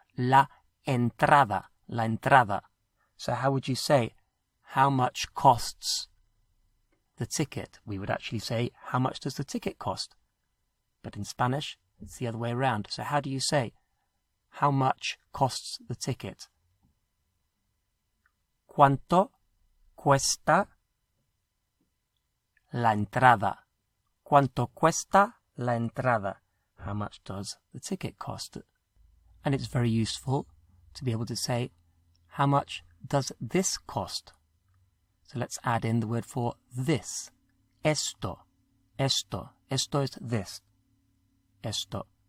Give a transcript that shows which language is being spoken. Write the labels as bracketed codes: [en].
[es] La entrada, la entrada. [en] So how would you say, how much costs the ticket? We would actually say, how much does the ticket cost? But in Spanish, it's the other way around. So how do you say, how much costs the ticket? [es] ¿Cuánto cuesta la entrada? ¿Cuánto cuesta la entrada? [en] How much does the ticket cost? And it's very useful to be able to say, how much does this cost? So let's add in the word for this. [es] Esto. Esto. Esto [en] is this. [es] Esto.